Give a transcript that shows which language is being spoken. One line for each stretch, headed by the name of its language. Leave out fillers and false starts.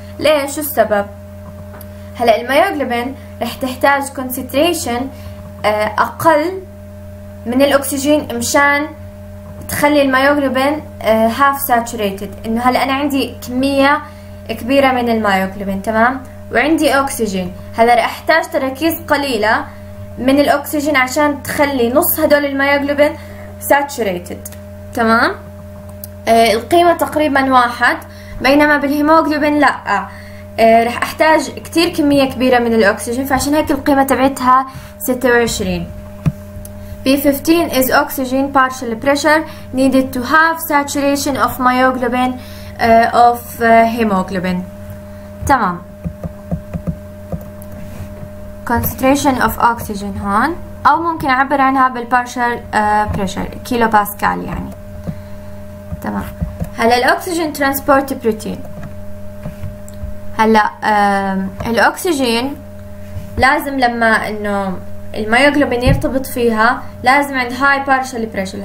Arabic: ليه؟ شو السبب؟ هلا الميوغلوبين رح تحتاج كونسنتريشن اقل من الاكسجين مشان تخلي المايوغلوبين
English: half saturated،
Arabic: انه هلا انا عندي كمية كبيرة من المايوغلوبين تمام وعندي اكسجين، هلا رح احتاج تركيز قليلة من الاكسجين عشان تخلي نص هدول المايوغلوبين saturated تمام. القيمة تقريبا 1، بينما بالهيموغلوبين لا، رح احتاج كتير كمية كبيرة من الاكسجين، فعشان هيك القيمة تبعتها 26.
English: B15 is oxygen partial pressure needed to have saturation of myoglobin of hemoglobin.
Arabic: تمام.
English: Concentration of oxygen
Arabic: هون أو ممكن أعبر عنها بالبارشل بريشر كيلو باسكال يعني. تمام. هلا الأكسجين ترانسبورت بروتين. هلا الأكسجين لازم لما إنه الميوغلوبين يرتبط فيها لازم عند هاي بارشل بريشر.